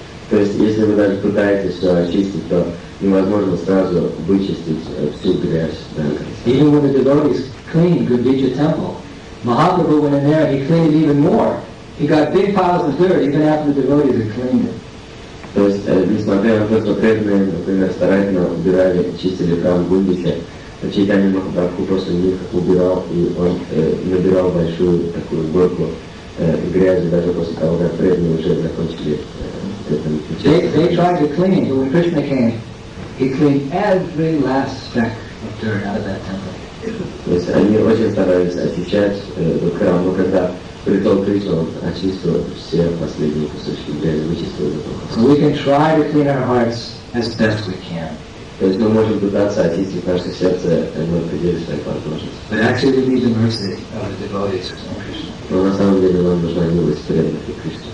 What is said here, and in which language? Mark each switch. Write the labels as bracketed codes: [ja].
[ru] То есть если вы даже пытаетесь все очистить, то невозможно сразу вычистить всю грязь. Да. [en] Even when the devotees cleaned Gaudiya temple, Mahaprabhu went in there and he cleaned it even more. He got big piles of dirt even after the devotees had cleaned it. [ru] То есть, несмотря на то, что преданные, например, старательно убирали, чистили храм Гудиши, Чайтанья Махапрабху после них убирал, и он набирал большую такую горку грязи, даже после того, как преданные уже закончили это. [en] They tried to clean, but when Krishna came, he cleaned every last speck of dirt out of that temple. [ru] То есть они очень старались очищать храм, но когда пришел Кришна, он очистил все последние кусочки грязи, вычистил эту кусочку. [en] So we can try to clean our hearts as best we can. [ru] То есть мы можем пытаться очистить наше сердце, но предельно своих возможностей. [en] But actually we need the mercy of the devotees of Krishna. [ru] Но на самом деле нам нужна милость преданных Кришны.